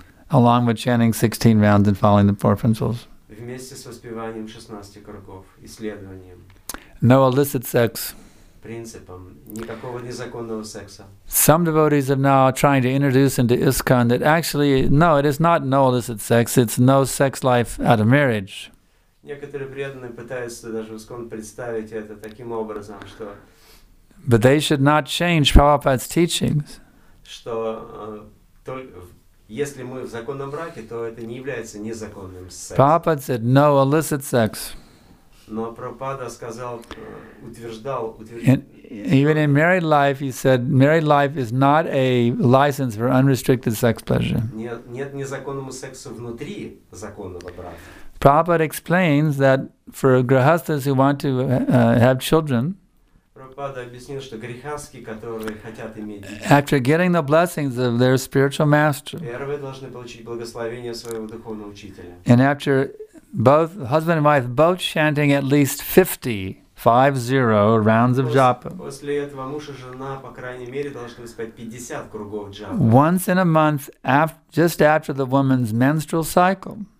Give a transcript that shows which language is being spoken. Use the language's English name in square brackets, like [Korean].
[English] Along with chanting 16 rounds and following the four principles. [Russian] Вместе с воспеванием 16 кругов, исследованием. [English] No illicit sex. [Russian] Принципом. Никакого незаконного секса. [English] Some devotees are now trying to introduce into ISKCON that actually, no, it is not no illicit sex, it's no sex life out of marriage. [Russian] Некоторые преданные пытаются даже в ИСККОН представить это таким образом, что... [English] But they should not change Prabhupada's teachings. [Russian] Что только... Если мы в законном браке, то это не является незаконным сексом. [English] Prabhupada said no illicit sex. [Russian] Но Прабхупада сказал, утверждал, [English] Even in married life, he said, married life is not a license for unrestricted sex pleasure. [Russian] Нет незаконному сексу внутри законного брака. [English] Prabhupada explains that for grihasthas who want to have children, after getting the blessings of their spiritual master, and after both husband and wife both chanting at least 50 rounds of japa, once in a month, just after the woman's menstrual cycle,